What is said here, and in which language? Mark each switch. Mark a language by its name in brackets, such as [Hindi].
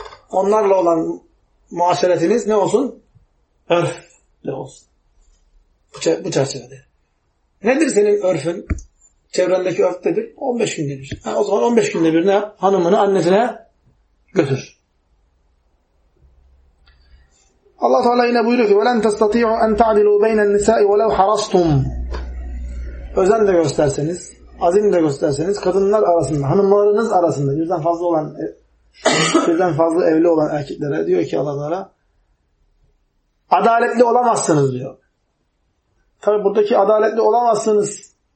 [Turkish] Onlarla olan muaşeretiniz ne olsun? Örfle olsun. Bu çerçevede. Nedir senin örfün? Çevrendeki örf dedir. 15 günde bir. Ha, o zaman 15 günde bir ne yap? Hanımını annesine götür. Allah Teala yine buyuruyor ki [Arabic] وَلَنْ تَسْتَطِيعُوا أَنْ تَعْدِلُوا بَيْنَ النِّسَاءِ وَلَوْ حَرَصْتُمْ. [Turkish] Özen de gösterseniz, azim de gösterseniz, kadınlar arasında, hanımlarınız arasında, yüzden fazla olan bizden fazla evli olan erkeklere diyor ki Allah'a adaletli olamazsınız diyor. Tabi buradaki adaletli olamazsınız